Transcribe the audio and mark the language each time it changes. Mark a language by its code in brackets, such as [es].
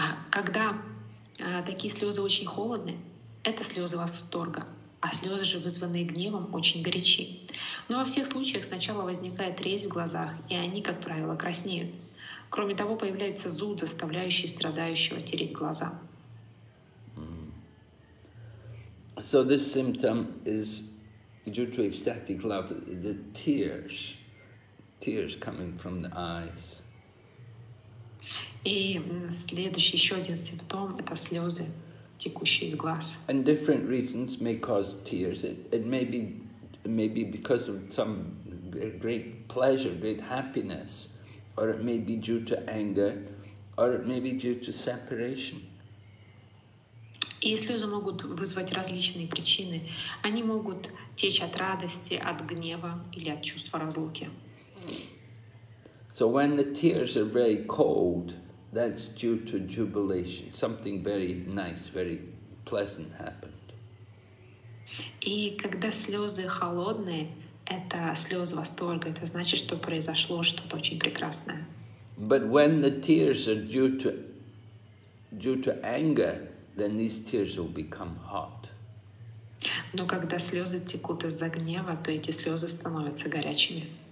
[ru] Когда такие слезы очень холодны, это слезы восторга. А слезы же, вызванные гневом, очень горячи. Но во всех случаях сначала возникает резь в глазах, и они, как правило, краснеют. Кроме того, появляется зуд, заставляющий страдающего тереть глаза. [en] So this symptom is due to ecstatic love, the tears coming from the eyes. [ru] И следующий, еще один симптом — это слезы, текущие из глаз. [en] And different reasons may cause tears. It may be because of some great pleasure, great happiness, or it may be due to anger, or it may be due to separation. [ru] И слезы могут вызвать различные причины. Они могут течь от радости, от гнева или от чувства разлуки. [en] So when the tears are very cold, that's due to jubilation. Something very nice, very pleasant happened. [ru] И когда слезы холодные, это слезы восторга. Это значит, что произошло что-то очень прекрасное. [en] But when the tears are due to anger, then these tears will become hot. [ru] Но когда слезы текут из-за гнева, то эти слезы становятся горячими.